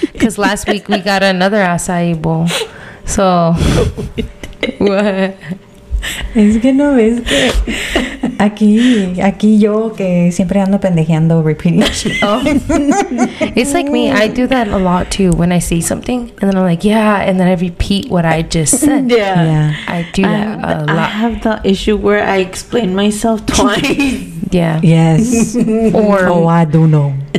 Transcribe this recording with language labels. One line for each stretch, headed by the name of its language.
English: Because last week we got another acai bowl. So. What?
Spanish: Es que no ves que aquí yo que siempre ando pendejeando
English: repeating shit. Oh. It's like me, I do that a lot too when I see something and then I'm like, yeah, and then I repeat what I just said. Yeah. I do that a lot. I have the issue where I explain myself twice. Yeah. Yes. Or I do know.